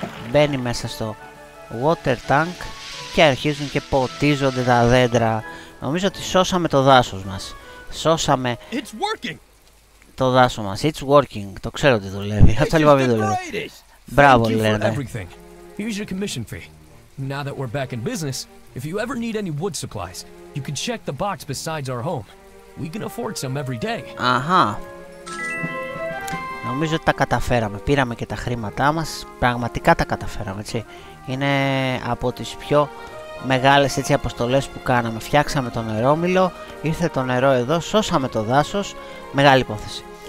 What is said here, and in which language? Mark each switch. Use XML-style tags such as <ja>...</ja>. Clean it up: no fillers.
<el>Μπαίνει μέσα στο water tank. Και αρχίζουν και ποτίζονται τα δέντρα. Νομίζω ότι σώσαμε το δάσος μας. Σώσαμε το δάσος μας.</el> <en>It's working.</en> <el>Το ξέρω ότι δουλεύει. Αυτό λοιπόν μην δουλεύει. Μπράβο λένε.</el> <en>Here's your commission fee. Now that we're back in business, if you ever need any wood supplies, you can check the box besides our home. We can afford some every day. Αχα.</en> <el>Νομίζω ότι τα καταφέραμε. Πήραμε και τα χρήματά μας. Πραγματικά τα καταφέραμε, έτσι. Είναι από τις πιο μεγάλες έτσι αποστολές που κάναμε. Φτιάξαμε το νερόμυλο, ήρθε το νερό εδώ, σώσαμε το δάσος. Μεγάλη υπόθεση.</el>